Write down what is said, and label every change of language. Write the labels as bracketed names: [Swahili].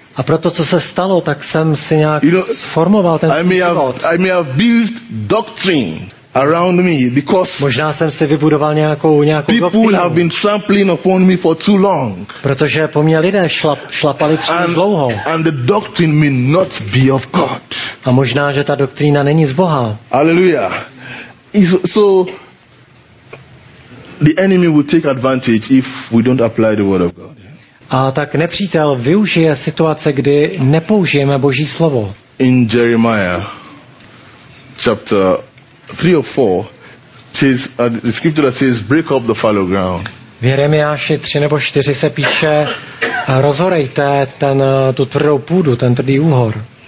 [Czech] A proto, co se stalo, tak jsem si nějak sformoval ten život. [English] I may have built doctrine around me because [Czech] možná jsem si vybudoval nějakou doktrínu. [English] People have been trampling upon me for too long. [Czech] Protože po mě lidé šlapali příliš dlouho. [English] And the doctrine may not be of God. [Czech] A možná, že ta doktrína není z Boha. [English] Hallelujah. So the enemy will take advantage if we don't apply the word of God. [Czech] A tak nepřítel využije situace, kdy nepoužijeme Boží slovo. [English] In Jeremiah chapter 3 or 4 says, the scripture says, break up the fallow ground. [Czech] V Jeremiáši 3 nebo 4 se píše, rozorejte tu tvrdou půdu, ten tvrdý úhor.